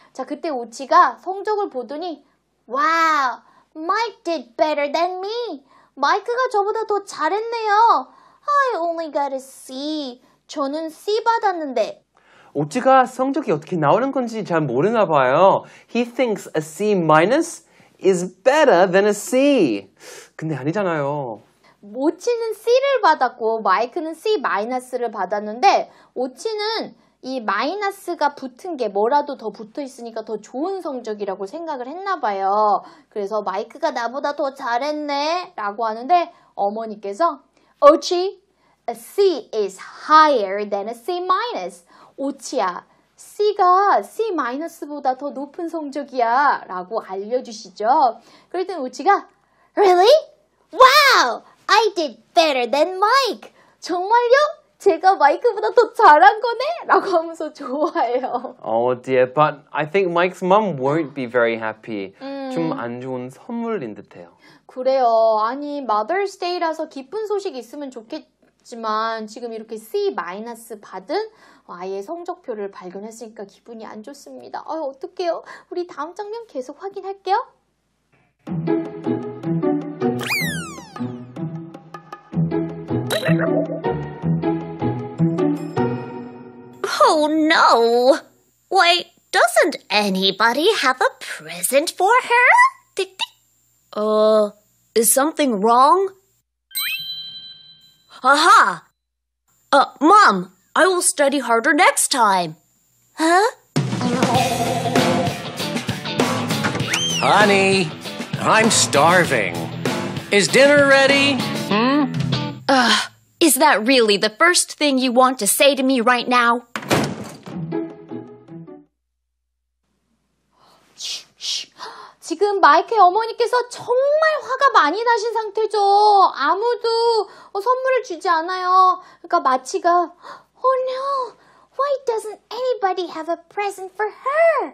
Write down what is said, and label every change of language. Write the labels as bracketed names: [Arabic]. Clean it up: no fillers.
[Korean] 자, 그때 우치가 성적을 보더니 [English] Wow, Mike did better than me. [Korean] 마이크가 저보다 더 잘했네요. [English] I only got a C. [Korean] 저는 C 받았는데. 오찌가 성적이 어떻게 나오는 건지 잘 모르나 봐요. [English] He thinks a C minus is better than a C. [Korean] 근데 아니잖아요. 오찌는 C를 받았고 마이크는 C 마이너스를 받았는데 오찌는 이 마이너스가 붙은 게 뭐라도 더 붙어 있으니까 더 좋은 성적이라고 생각을 했나 봐요. 그래서 마이크가 나보다 더 잘했네 라고 하는데 어머니께서 오치, [English] a C is higher than a C minus. [Korean] 오치야, C가 C 마이너스보다 더 높은 성적이야 라고 알려주시죠. 그랬더니 오치가 [English] Really? Wow! I did better than Mike. [Korean] 정말요? 제가 마이크보다 더 잘한 거네? 라고 하면서 좋아해요. [English] Oh dear, but I think Mike's mom won't be very happy. [Korean] 좀 안 좋은 선물인 듯해요. 그래요. 아니, Mother's Day라서 기쁜 소식 있으면 좋겠지만 지금 이렇게 C-minus 받은 아이의 성적표를 발견했으니까 기분이 안 좋습니다. 아, 어떡해요? 우리 다음 장면 계속 확인할게요. [English] Oh no! Wait, doesn't anybody have a present for her? Is something wrong? Aha! Mom, I will study harder next time. Huh? Honey, I'm starving. Is dinner ready? Is that really the first thing you want to say to me right now? Shh, shh. [Korean] 지금 마이크의 어머니께서 정말 화가 많이 나신 상태죠. 아무도 선물을 주지 않아요. 그러니까 마치가 [English] Oh no! Why doesn't anybody have a present for her?